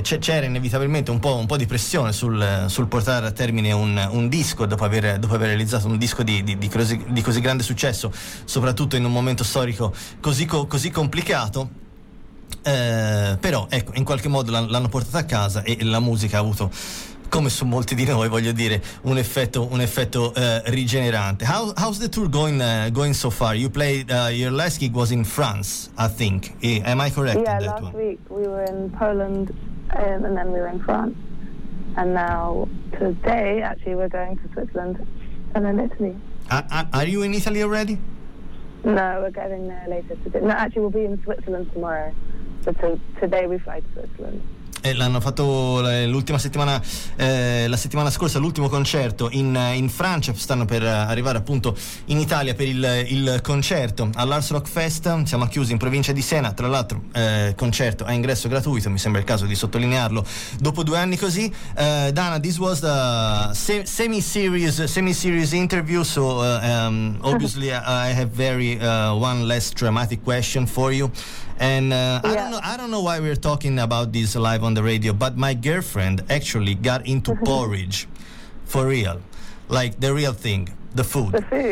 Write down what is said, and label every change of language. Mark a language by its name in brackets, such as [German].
[Italian] C'era inevitabilmente un po' di pressione sul portare a termine un disco dopo aver realizzato un disco di così grande successo, soprattutto in un momento storico così complicato. Però ecco, in qualche modo l'hanno portata a casa, e la musica ha avuto, come su molti di noi, voglio dire, un effetto rigenerante. [English] How's the tour going so far? You played your last gig was in France, I think. Am I correct? Yeah, on that last Week we were in Poland, and then we were in France. And now today, actually, we're going to Switzerland and then Italy. Are you in Italy already? No, we're getting there later today. No, actually, we'll be in Switzerland tomorrow. But today we fly to Switzerland. [Italian] L'hanno fatto l'ultima settimana, la settimana scorsa, l'ultimo concerto in Francia. Stanno per arrivare appunto in Italia per il concerto all'Ars Rock Fest. Siamo chiusi in provincia di Siena, tra l'altro concerto a ingresso gratuito, mi sembra il caso di sottolinearlo dopo due anni così. [English] Dana, this was the semi-serious interview, so obviously I have very one less dramatic question for you. And yeah. I don't know why we're talking about this live on the radio, but my girlfriend actually got into porridge, for real, like the real thing, the food.